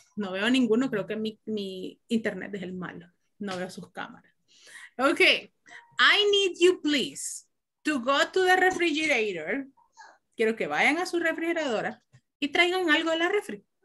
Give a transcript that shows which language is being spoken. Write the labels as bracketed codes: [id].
[es] No veo ninguno, creo que mi internet es el malo. No veo sus cámaras. [en] Okay, I need you please to go to the refrigerator. [es] Quiero que vayan a su refrigeradora y traigan algo de la refri.